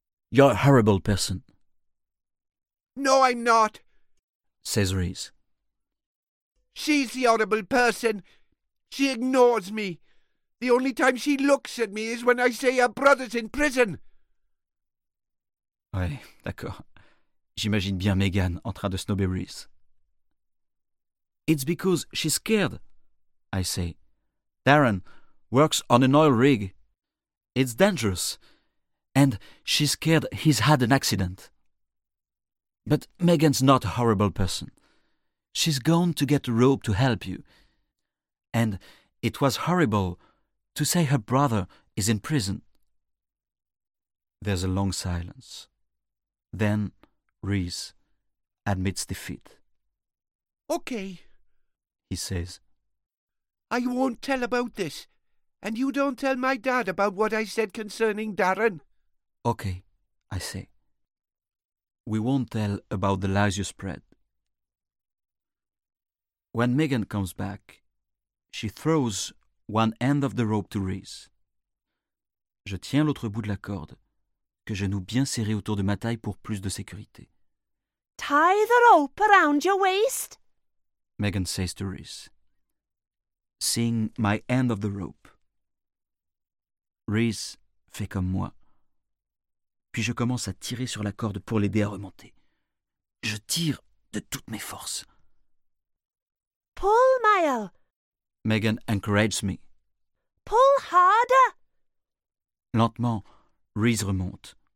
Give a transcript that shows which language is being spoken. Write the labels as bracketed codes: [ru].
[en] You're a horrible person." "No, I'm not," says Rhys. "She's the horrible person. She ignores me. The only time she looks at me is when I say her brother's in prison." [fr] Ouais, d'accord. J'imagine bien Megan en train de snober Rhys. [en] "It's because she's scared," I say. "Darren works on an oil rig. It's dangerous. And she's scared he's had an accident." "But Megan's not a horrible person. She's gone to get a rope to help you. And it was horrible to say her brother is in prison." There's a long silence. Then Rhys admits defeat. "Okay," he says. "I won't tell about this. And you don't tell my dad about what I said concerning Darren." "Okay," I say. "We won't tell about the lies you spread." When Megan comes back, she throws one end of the rope to Rhys. [fr] Je tiens l'autre bout de la corde, que je noue bien serré autour de ma taille pour plus de sécurité. [en] "Tie the rope around your waist," Megan says to Rhys, seeing my end of the rope. [fr] Rhys fait comme moi. Puis je commence à tirer sur la corde pour l'aider à remonter. Je tire de toutes mes forces. [en] "Pull, Mael," Megan encourages me. Dada! [fr] Lentement, Reese remonte.